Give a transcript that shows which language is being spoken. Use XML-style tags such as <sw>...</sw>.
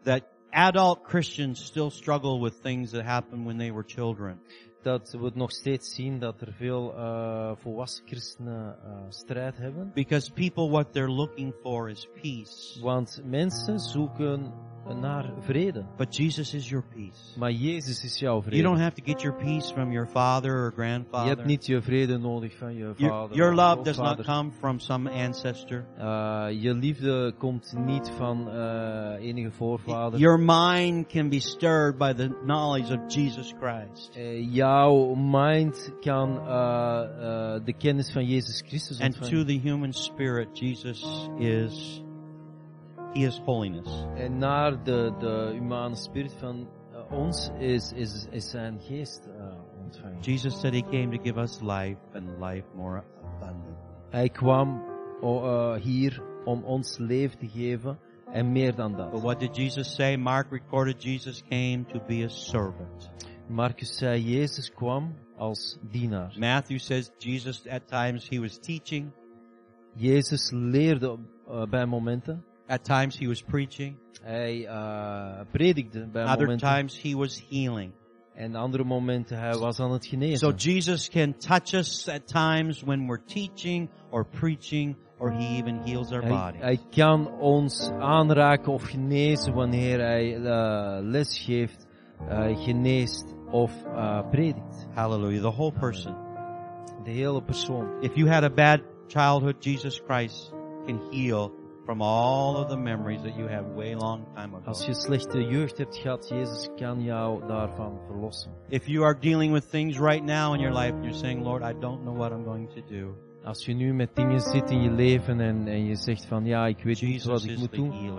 <en>That adult Christians still struggle with things that happened when they were children.</en> <nl>Dat we het nog steeds zien dat er veel volwassen christenen strijd hebben.</nl> <en>Because people, what they're looking for is peace.</en> <nl>Want mensen zoeken naar vrede.</nl> <en>But Jesus is your peace.</en> <nl>Maar Jezus is jouw vrede.</nl> <en>You don't have to get your peace from your father or grandfather.</en> <nl>Je hebt niet je vrede nodig van je vader.</nl> <en>Your love does not come from some ancestor.</en> <nl>Je liefde komt niet van enige voorvader.</nl> <en>Your mind can be stirred by the knowledge of Jesus Christ.</en> <nl>Jouw mind kan de kennis van Jezus Christus ontvangen.</nl> <en>And to the human spirit, Jesus is. He is holiness.</en> <nl>En naar de humane spirit van ons is zijn geest ontvangen.</nl> <en>Jesus said he came to give us life and life more abundant.</en> <nl>Hij kwam hier om ons leven te geven en meer dan dat.</nl> <en>But what did Jesus say? Mark recorded Jesus came to be a servant.</en> <nl>Marcus zei Jezus kwam als dienaar.</nl> <en>Matthew says Jesus at times he was teaching.</en> <nl>Jezus leerde bij momenten.</nl> <en>At times he was preaching.</en> <nl>Hij predikte bij</nl> <en>other</en> <nl>momenten.</nl> <en>Other times he was healing.</en> <nl>En andere momenten hij was aan het genezen.</nl> <en>So Jesus can touch us at times when we're teaching or preaching, or he even heals our body.</en> <nl>Hij kan ons aanraken of genezen wanneer hij les geeft, geneest of predikt.</nl> <en>Hallelujah. The whole person.</en> <nl>De hele persoon.</nl> <en>If you had a bad childhood, Jesus Christ can heal from all of the memories that you have way long time ago.</en> <nl>Als je slechte jeugd hebt gehad, Jezus kan jou daarvan verlossen.</nl> <en>If you are dealing with things right now in your life, you're saying, Lord, I don't know what I'm going to do.</en> <nl>Als je nu met dingen zit in je leven en je zegt van ja, ik weet niet wat ik moet doen.</nl>